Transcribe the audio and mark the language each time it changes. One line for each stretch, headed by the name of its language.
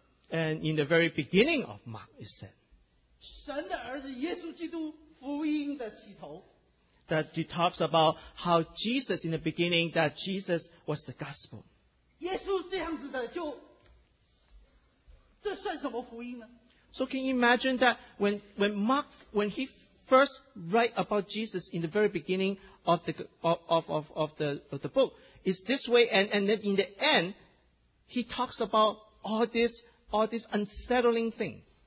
English: And in the very beginning of Mark, it said,
Chinese: 神的儿子耶稣基督福音的起头,
English: that he talks about how Jesus, in the beginning, that Jesus was the gospel.
Chinese: 耶稣这样子的就, 这算什么福音呢?
English: So can you imagine that when Mark, when he first write about Jesus in the very beginning of the book, it's this way, and then in the end, he talks about all this unsettling thing.